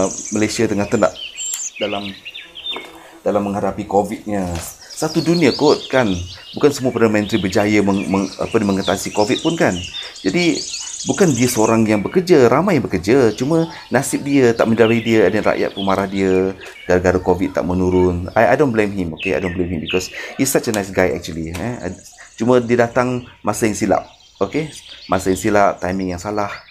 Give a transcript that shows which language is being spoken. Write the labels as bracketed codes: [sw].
[ms] Malaysia tengah tenat dalam menghadapi COVID-nya. Satu dunia kot kan. Bukan semua Perdana Menteri berjaya mengatasi COVID pun kan. Jadi bukan dia seorang yang bekerja, ramai yang bekerja, cuma nasib dia tak mendari dia, ada rakyat pun marah dia gara-gara COVID tak menurun. [en] I don't blame him, okay, I don't blame him because he's such a nice guy actually. [ms] Cuma dia datang masa yang silap, okay, masa yang silap, timing yang salah.